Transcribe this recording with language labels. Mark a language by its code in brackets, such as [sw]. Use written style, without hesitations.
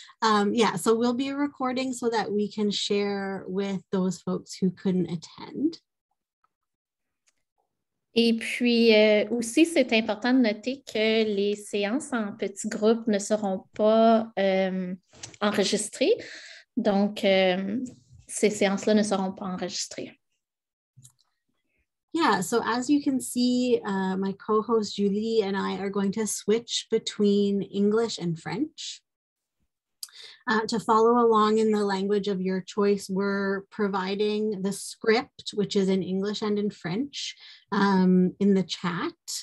[en] So we'll be recording so that we can share with those folks who couldn't attend. [fr] Et puis aussi, c'est important de noter que les séances en petits groupes ne seront pas enregistrées. Donc, ces séances-là ne seront pas enregistrées. [en] Yeah, so as you can see, my co-host Julie and I are going to switch between English and French. To follow along in the language of your choice, we're providing the script, which is in English and in French, in the chat.